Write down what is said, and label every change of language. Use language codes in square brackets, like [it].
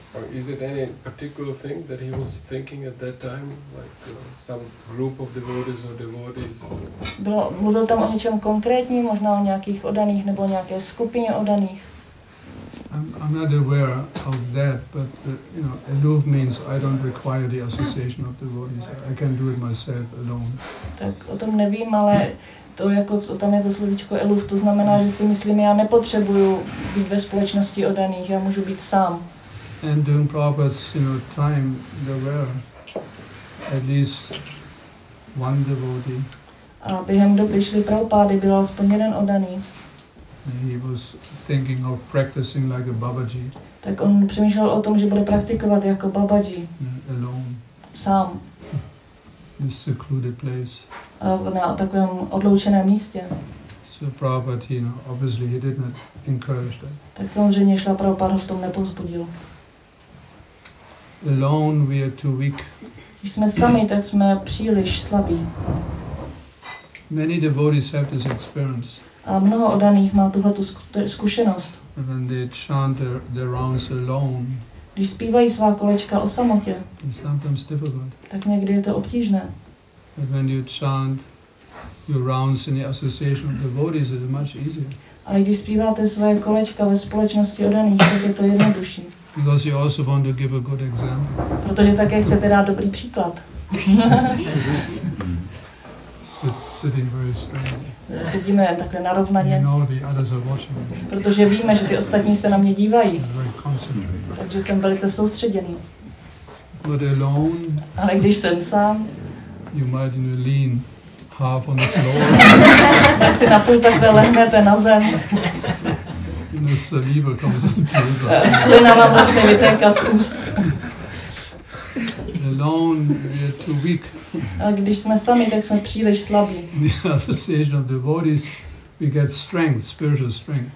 [en] Or is it any particular thing that he was thinking at that time, like some group of devotees or devotees? [cs] Mluvil tam o něčem konkrétním, možná o nějakých odaných nebo nějaké skupině odaných. [en] I'm not aware of that, but aloof means I don't require the association of devotees. I can do it myself alone. [cs] Tak o tom nevím, ale to jako co tam je to slovíčko aloof, to znamená, že si myslím, já nepotřebuju být ve společnosti odaných, já můžu být sám. [en] And during Prabhupada's time, there were at least one devotee. [cs] A během doby šli Prabhupády, byl aspoň jeden oddaný. [en] He was thinking of practicing like a Babaji. [cs] Tak on přemýšlel o tom, že bude praktikovat jako Babaji. [en] Alone. [cs] Sám. [en] In a secluded place. [cs] A na takovém odloučeném místě. [en] So Prabhupada, obviously he did not encourage that. [cs] Tak samozřejmě šla Prabhupáda v tom nepovzbudil. [en] Alone, we are too weak. [cs] Když jsme sami, tak jsme příliš slabí. [en] Many devotees have this experience. [cs] A mnoho odaných má tuhle tu zkušenost. [en] When they chant their rounds alone. [cs] Když zpívají svá kolečka o samotě. [en] It's sometimes difficult. [cs] Tak někdy je to obtížné. [en] But when you chant your rounds in the association of devotees, it's much easier. [cs] Ale když zpíváte svoje kolečka ve společnosti odaných, tak je to jednodušší. [en] Because you also want to give a good example. [cs] Protože také chcete dát dobrý příklad. [en] So, sitting very straight. [cs] Sedíme takhle narovnaně. [en] You know the others are watching. [cs] Protože víme, že ty ostatní se na mě dívají. [en] Very concentrated. [cs] Takže jsem velice soustředěný. [en] But alone. [cs] Ale když jsem sám. [en] You might even lean half on the floor. [cs] Tak si na půl takhle lehnete na zem. [en] No saliva comes in the ears. [cs] Slina vám začne vytékat z úst. [en] Alone, we are too weak. [cs] A když jsme sami, tak jsme příliš slabí. [en] The association of devotees, we get strength, spiritual strength.